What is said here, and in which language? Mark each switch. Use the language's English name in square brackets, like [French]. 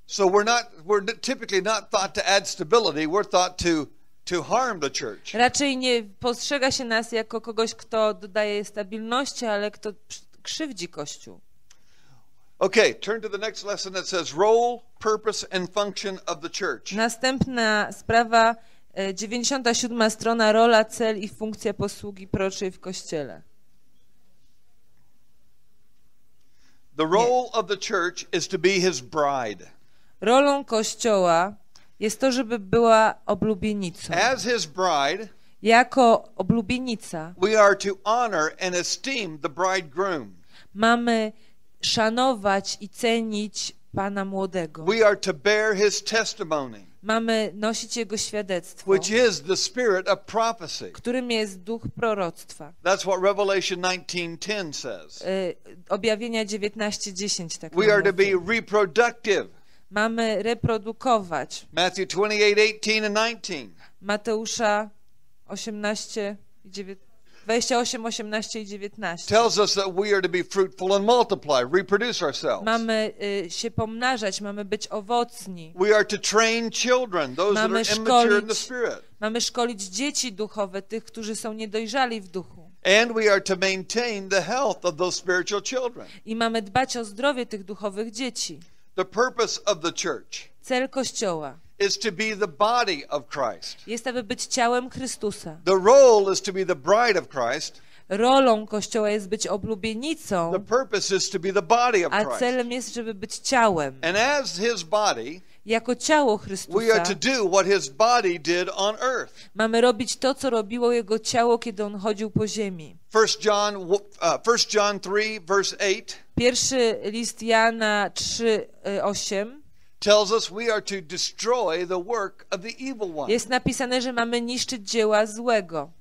[English] So we're typically not thought to add stability, we're thought to harm the church. [Polish] Raczej nie postrzega się nas jako kogoś, kto dodaje stabilności, ale kto krzywdzi Kościół. [English] Okay, turn to the next lesson that says role, purpose and function of the church. [Polish] Następna sprawa, 97. strona, rola, cel i funkcja posługi proroczej w kościele. [English] The role of the church is to be his bride. [Polish] Rolą kościoła jest to, żeby była oblubienicą. [English] As his bride, [Polish] jako oblubienica, [English] we are to honor and esteem the bridegroom. [Polish] Mamy szanować i cenić Pana Młodego. [English] We are to bear his testimony. [Polish] Mamy nosić jego świadectwo. [English] Which is the spirit of prophecy. [Polish] Którym jest duch proroctwa. [English] That's what Revelation 19:10 says. [Polish] Objawienia 19:10 tak mówi. [English] We are to be reproductive. [Polish] Mamy reprodukować. [English] Matthew 28:18-19. [Polish] Mateusza 28:18-19 [English] tells us that we are to be fruitful and multiply, reproduce ourselves. [Polish] Mamy się pomnażać, mamy być owocni. [English] We are to train children, those [Polish] mamy [English] that are immature in the spirit. [Polish] Mamy szkolić dzieci duchowe, tych, którzy są niedojrzali w duchu. [English] And we are to maintain the health of those spiritual children. [Polish] I mamy dbać o zdrowie tych duchowych dzieci. [English] The purpose of the church. [Polish] Cel kościoła. [English] Is to be the body of Christ. [Polish] Jest, aby być ciałem Chrystusa. [English] The role is to be the bride of Christ. [Polish] Rolą kościoła jest być oblubienicą. [English] The purpose is to be the body of Christ. [Polish] A celem jest, żeby być ciałem. [English] And as his body, [Polish] jako ciało Chrystusa, [English] we are to do what his body did on earth. [Polish] Mamy robić to, co robiło jego ciało, kiedy on chodził po ziemi. [English] 1 John 3, verse 8. [Polish] Pierwszy list Jana 3:8. [English] Tells us we are to destroy the work of the evil one. [Polish] Jest napisane, że mamy niszczyć dzieła złego.